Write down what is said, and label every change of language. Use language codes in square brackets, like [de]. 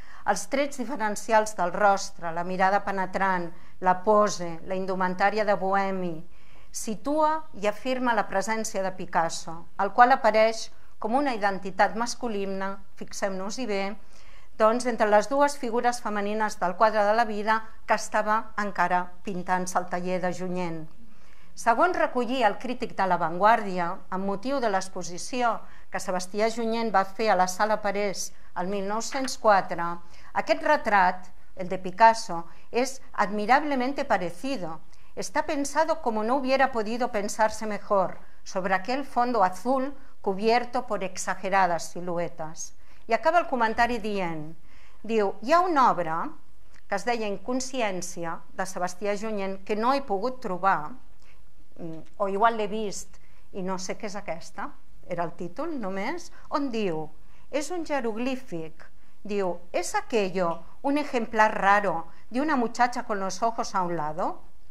[ca] Els trets diferencials del rostre, la mirada penetrant, la pose, la indumentària de bohemi, situa i afirma la presència de Picasso, el qual apareix com una identitat masculina, fixem-nos-hi bé, doncs, entre les dues figures femenines del quadre de la vida que estava encara pintant-se al taller de Junyent. Segons recollia el crític de La Vanguardia, amb motiu de l'exposició que Sebastià Junyent va fer a la Sala Parés el 1904, aquest retrat, el de Picasso, és [es] admirablemente parecido. Está pensado como no hubiera podido pensarse mejor, sobre aquel fondo azul cubierto por exageradas siluetas. [ca] I acaba el comentari dient, diu, hi ha una obra que es deia Inconsciència, de Sebastià Junyent, que no he pogut trobar, o igual l'he vist i no sé què és aquesta, era el títol només, on diu, és un jeroglífic, diu, és [es] aquello un ejemplar raro de una muchacha con los ojos a un lado?